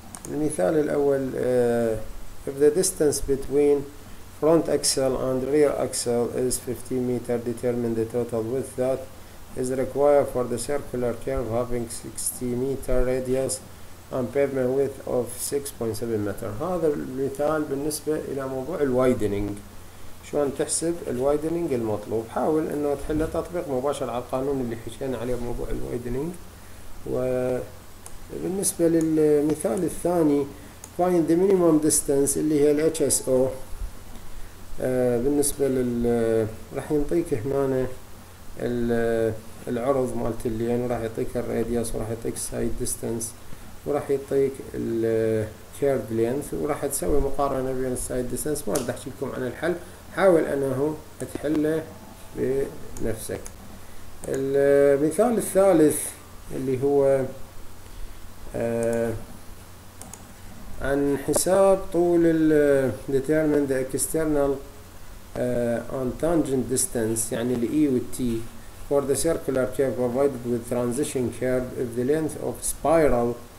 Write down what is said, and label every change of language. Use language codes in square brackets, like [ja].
[ar] المثال الاول [en] if the distance between front axle and rear axle is 50 meter, determine the total width that is required for the circular curve having 60 meter radius and pavement width of 6.7 meter. [ar] هذا المثال بالنسبة إلى موضوع الوايدنينج، شلون تحسب الوايدنينج المطلوب. حاول أنه تحل تطبيق مباشر على القانون اللي حكينا عليه بموضوع الوايدنينج. وبالنسبة للمثال الثاني [en] find the minimum distance [ar] اللي هي HSO. بالنسبة لل راح يعطيك هنا العرض مالت اللين يعني، وراح يعطيك الراديوس وراح يعطيك سايد ديستانس وراح يعطيك الكيرف لينث، وراح تسوي مقارنة بين السايد ديستانس. ما راح احكي لكم عن الحل، حاول انه تحله بنفسك. المثال الثالث اللي هو عن حساب طول ال [en] determine the external on tangent distance [ar] يعني الاي والتي [en] for the circular curve provided with transition curve if the length of spiral